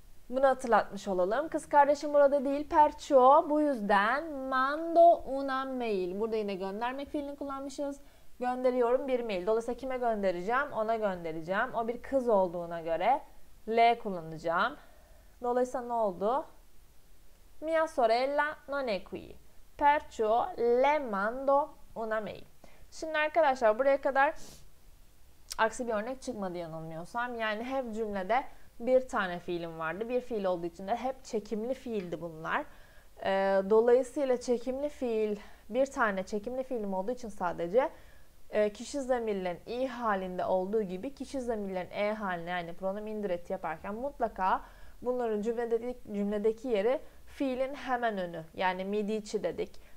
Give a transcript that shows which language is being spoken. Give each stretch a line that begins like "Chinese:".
Turkish: Bunu hatırlatmış olalım. Kız kardeşim burada değil.
Italian: Perciò,
Turkish: bu yüzden
Italian: mando una mail.
Turkish: Burada yine göndermek fiilini kullanmışız. Gönderiyorum bir mail. Dolayısıyla kime göndereceğim? Ona göndereceğim. O bir kız olduğuna göre le kullanacağım. Dolayısıyla ne oldu?
Italian: Mia sorella non è qui. Perciò le mando una mail.
Turkish: Şimdi arkadaşlar, buraya kadar aksi bir örnek çıkmadı yanılmıyorsam. Yani hep cümlede bir tane fiilim vardı. Bir fiil olduğu için de hep çekimli fiildi bunlar. Dolayısıyla çekimli fiil, bir tane çekimli fiilim olduğu için sadece kişi zamirlerin i halinde olduğu gibi kişi zamirlerin e haline, yani pronomi indiretti yaparken mutlaka bunların cümledeki yeri fiilin hemen önü. Yani mi dici dedik,